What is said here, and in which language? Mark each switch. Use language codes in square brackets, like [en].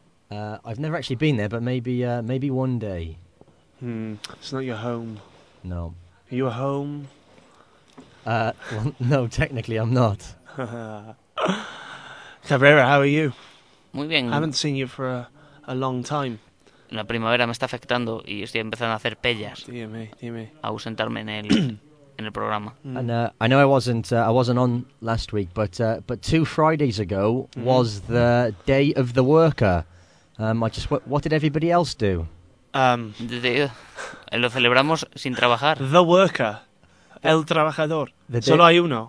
[en] I've never actually been there, but maybe one day. It's not your home. No. Are you a home? Well, no, technically I'm not. Cabrera, how are you? [es] Muy bien. [en] I haven't seen you for a long time. [es] La primavera me está afectando y estoy empezando a hacer pellas. Dime. A ausentarme en el en el programa. [en] And I know I wasn't on last week, but two Fridays ago was the day of the worker. What did everybody else do? [es] Lo celebramos sin trabajar. [en] The worker. [es] El trabajador. Solo hay uno.